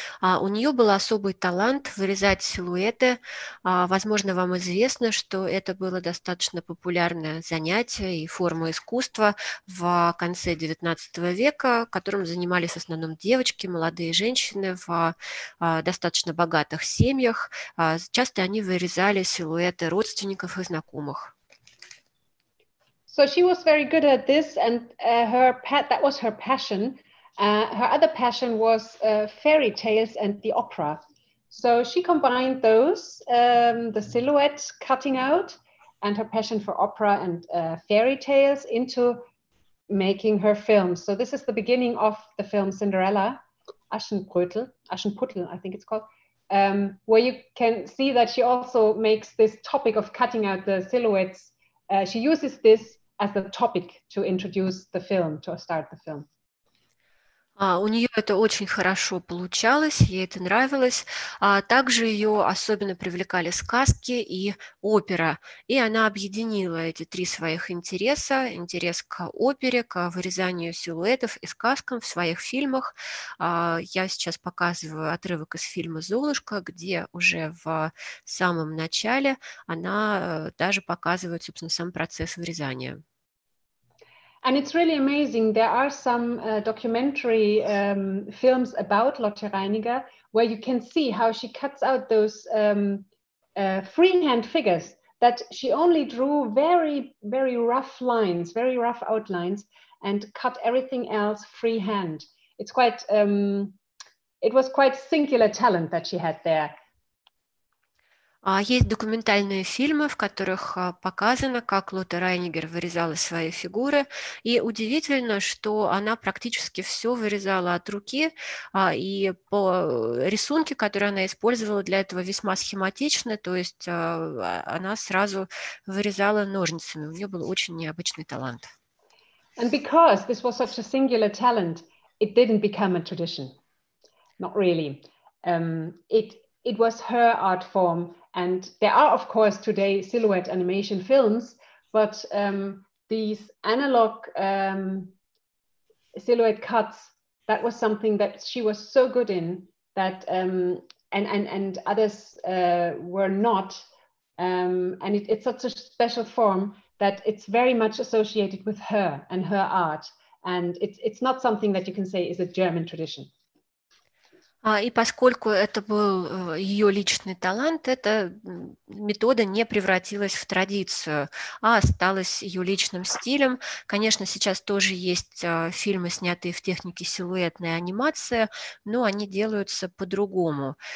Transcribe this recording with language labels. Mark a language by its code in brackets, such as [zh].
[ru] У нее был особый талант вырезать силуэты. Возможно, вам известно, что это было достаточно популярное занятие и форма искусства в конце XIX века, которым занимались в основном девочки, молодые женщины в достаточно богатых семьях. Часто они вырезали силуэты родственников и знакомых. [en] So she was very good at this, and that was her passion. Her other passion was fairy tales and the opera. So she combined those, the silhouette cutting out, and her passion for opera and fairy tales into making her films. So this is the beginning of the film Cinderella, Aschenputtel, I think it's called, where you can see that she also makes this topic of cutting out the silhouettes. She uses this as the topic to introduce the film, to start the film. [ru] У нее это очень хорошо получалось, ей это нравилось. Также ее особенно привлекали сказки и опера. И она объединила эти три своих интереса. Интерес к опере, к вырезанию силуэтов и сказкам в своих фильмах. Я сейчас показываю отрывок из фильма «Золушка», где уже в самом начале она даже показывает, собственно, сам процесс вырезания. [en] And it's really amazing. There are some documentary films about Lotte Reininger where you can see how she cuts out those freehand figures that she only drew very, very rough lines, very rough outlines, and cut everything else freehand. It's quite, it was quite singular talent that she had there. [ru] Есть документальные фильмы, в которых показано, как Лотта Райнигер вырезала свои фигуры. И удивительно, что она практически все вырезала от руки. И по рисунке, который она использовала для этого, весьма схематичны. То есть она сразу вырезала ножницами. У нее был очень необычный талант. [en] And because this was such a singular talent, it didn't become a tradition. Not really. It was her art form. And there are, of course, today silhouette animation films, but these analog silhouette cuts, that was something that she was so good in that and others were not. And it's such a special form that it's very much associated with her and her art. And it's not something that you can say is a German tradition. [ru] И поскольку это был ее личный талант, эта метода не превратилась в традицию, а осталась ее личным стилем. Конечно, сейчас тоже есть фильмы, снятые в технике силуэтной анимации, но они делаются по-другому.